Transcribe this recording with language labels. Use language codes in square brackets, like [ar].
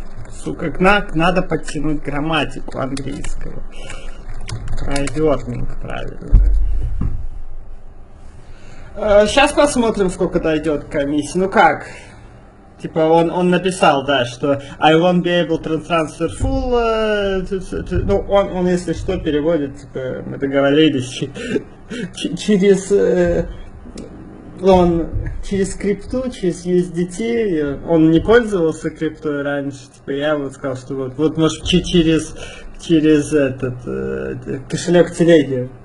[ru] Сука, надо подтянуть грамматику английского. Трайлернинг, правильно. Сейчас посмотрим, сколько дойдет комиссия. Ну как? Типа он написал, да, что [en] I won't be able to transfer full. [ru] Ну, он если что, переводит, типа, мы договорились через он через крипту, через USDT. Он не пользовался криптой раньше, типа я вот сказал, что вот может через этот кошелек телеги.